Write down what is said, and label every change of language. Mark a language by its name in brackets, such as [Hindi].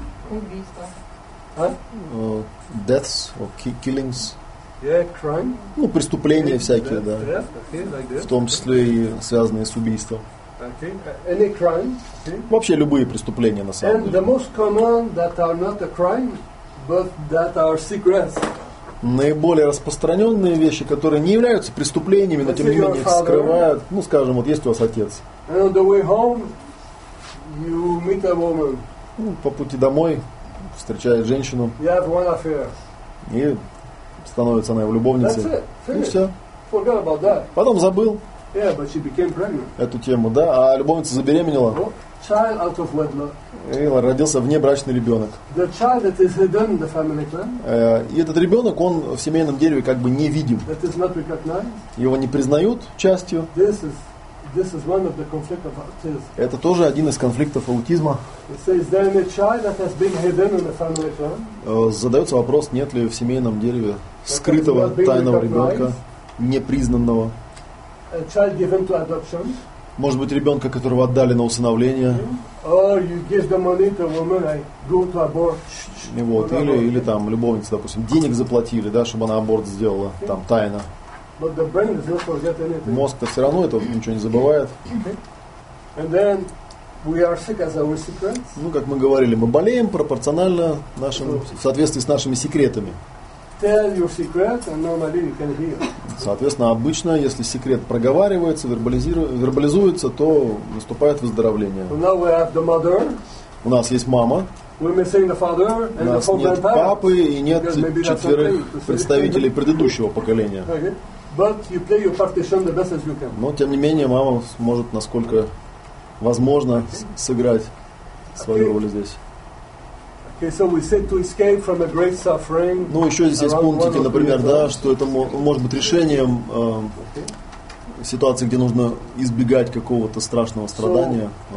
[Russian] Убийства. [English] Deaths or killings. Yeah, crime. [Russian] Ну, преступления всякие, [English] death, [Russian] да. [English] Death, okay, like [Russian] в том числе и связанные с убийством. [English] Okay. Any crime, okay. [Russian] Вообще любые преступления на самом [English] And [Russian] деле. [English] The most common that are not a crime, but that are secrets. [Russian] Наиболее распространенные вещи, которые не являются преступлениями, но тем не менее их скрывают. Ну, скажем, вот есть у вас отец. [English] And on the way home, you meet a woman. [Russian] Ну, по пути домой встречает женщину. [English] You have one affair. [Russian] И становится она его любовницей. [English] That's it. [Russian] И все. [English] Forgot about that. [Russian] Потом забыл. [English] Yeah, but she became pregnant. [Russian] Эту тему, да? А любовница забеременела? [English] Child out of wedlock. [Russian] И родился внебрачный ребенок. [English] The child that is hidden in the family clan. [Russian] И этот ребенок, он в семейном дереве как бы невидим. [English] That is not recognized. [Russian] Его не признают частью. [English] This is, This is one of the conflict of autism. [Russian] Это тоже один из конфликтов аутизма. [English] It says, is there any child that has been hidden in the family plan? [Russian] Задается вопрос, нет ли в семейном дереве скрытого тайного ребенка, непризнанного. [English] A child given to adoption. [Russian] Может быть, ребенка, которого отдали на усыновление. Или там любовница, допустим, денег заплатили, да, чтобы она аборт сделала, там, тайно. [English] But the brain does not forget anything. [Russian] Мозг-то все равно это ничего не забывает. [English] Okay. And then we are sick as our secrets. [Russian] Ну, как мы говорили, мы болеем пропорционально нашим, в соответствии с нашими секретами. [English] Tell your secret, and normally you can hear. [Russian] Соответственно, обычно, если секрет проговаривается, вербализуется, то наступает выздоровление. [English] So now we have the mother. [Russian] У нас есть мама. [English] We're missing the father and [Russian] у нас [English] the [Russian] нет папы и нет четверых представителей предыдущего поколения. [English] Okay. But you play your partition the best as you can. [Russian] Но, тем не менее, мама сможет, насколько возможно, сыграть свою роль здесь. [English] Okay, so we said to escape from a great suffering. [Russian] Ну, еще здесь есть пунктики, например, да, что это может быть решением ситуации, где нужно избегать какого-то страшного страдания.